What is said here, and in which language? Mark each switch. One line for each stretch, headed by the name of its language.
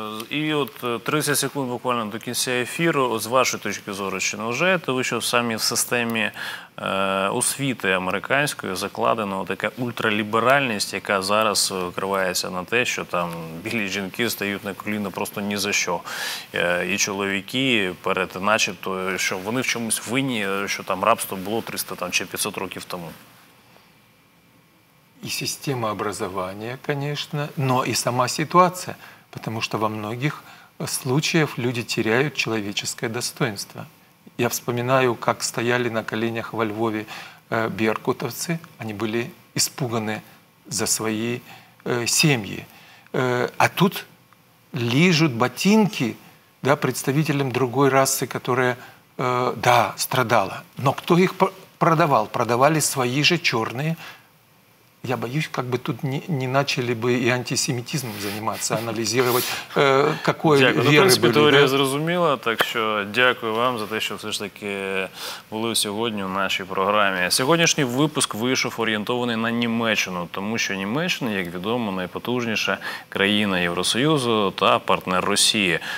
Ukrainian: І от 30 секунд буквально до кінця ефіру, з вашої точки зору, чи не вважаєте ви, що самі в системі освіти американської закладена така ультраліберальність, яка зараз вкривається на те, що там білі жінки стають на коліна просто ні за що. І чоловіки перед, начебто, що вони в чомусь винні, що там рабство було 300 там, чи 500 років тому.
Russian: И система образования, конечно, но и сама ситуация, потому что во многих случаях люди теряют человеческое достоинство. Я вспоминаю, как стояли на коленях во Львове беркутовцы, они были испуганы за свои семьи. А тут лижут ботинки, да, представителям другой расы, которая, да, страдала. Но кто их продавал? Продавали свои же черные. Я боюсь, как бы тут не начали бы и антисемитизмом заниматься, анализировать, какой веры были.
Ukrainian: Дякую. Ну, в принципе, теория зрозуміла, так що дякую вам за те, що все ж таки були сьогодні у нашій програмі. Сьогоднішній випуск вийшов орієнтований на Німеччину, тому що Німеччина, як відомо, найпотужніша країна Євросоюзу та партнер Росії.